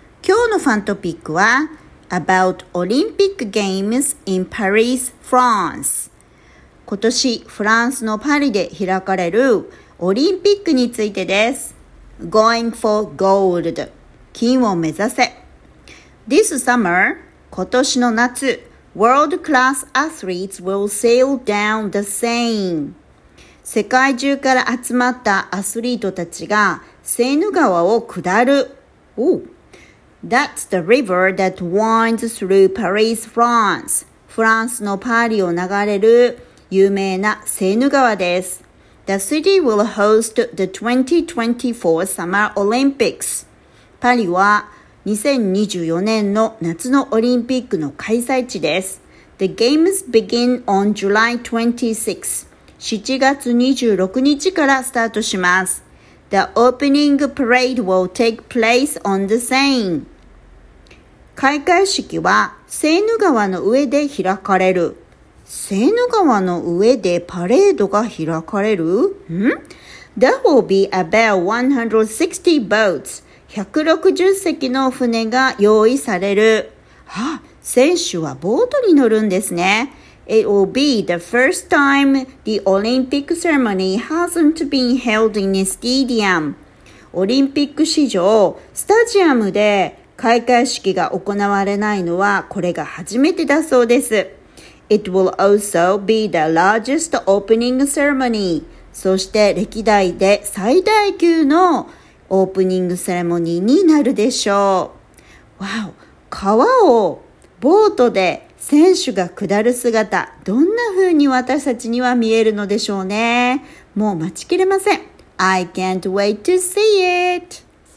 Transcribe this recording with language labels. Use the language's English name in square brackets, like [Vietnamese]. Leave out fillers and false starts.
[Japanese] 今日のファントピックは [English] About Olympic Games in Paris, France。 [Japanese] 今年フランスのパリで開かれるオリンピックについてです。 [English] Going for gold、 [Japanese] 金を目指せ。 [English] This summer、 [Japanese] 今年の夏、 [English] World class athletes will sail down the Seine。 [Japanese] 世界中から集まったアスリートたちがセーヌ川を下る。 [English] That's the river that winds through Paris, France. [Japanese] フランスのパリを流れる有名なセーヌ川です。 [English] The city will host the 2024 Summer Olympics. [Japanese] パリは2024年の夏のオリンピックの開催地です。 [English] The games begin on July 26. [Japanese] 7月26日からスタートします。 [English] The opening parade will take place on the Seine. [Japanese] 開会式はセーヌ川の上で開かれる。セーヌ川の上でパレードが開かれる？ [English] There will be about 160 boats. [Japanese] 160隻の船が用意される。あ、選手はボートに乗るんですね。 [English] It will be the first time the Olympic ceremony hasn't been held in a stadium. [Japanese] オリンピック史上、スタジアムで開会式が行われないのはこれが初めてだそうです。 [English] It will also be the largest opening ceremony. [Japanese] そして歴代で最大級のオープニングセレモニーになるでしょう。わお、川をボートで選手が下る姿、どんな風に私たちには見えるのでしょうね。もう待ちきれません。 [English] I can't wait to see it!